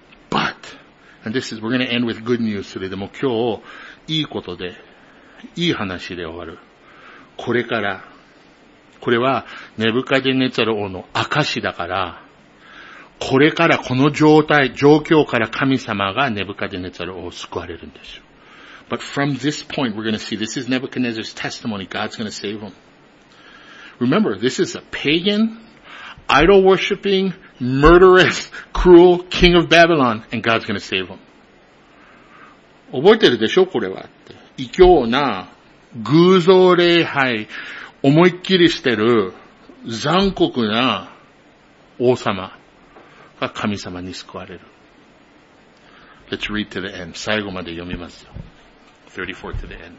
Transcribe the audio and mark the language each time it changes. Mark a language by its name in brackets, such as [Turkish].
[English] But, and this is, we're going to end with good news today. [Japanese] でも今日、いいことで、いい話で終わる。これから、これはネブカデネツァル王の証だから、これからこの状態、状況から神様がネブカデネザルを救われるんですよ。 [English] But from this point, we're going to see this is Nebuchadnezzar's testimony. God's going to save him. Remember, this is a pagan, idol-worshipping, murderous, cruel king of Babylon, and God's going to save him. [Japanese] 覚えてるでしょ、これは。異教な、偶像礼拝、思いっきりしてる、残酷な王様が神様に救われる。 [English] Let's read to the end. [Japanese] 最後まで読みますよ。 [English] 34 to the end.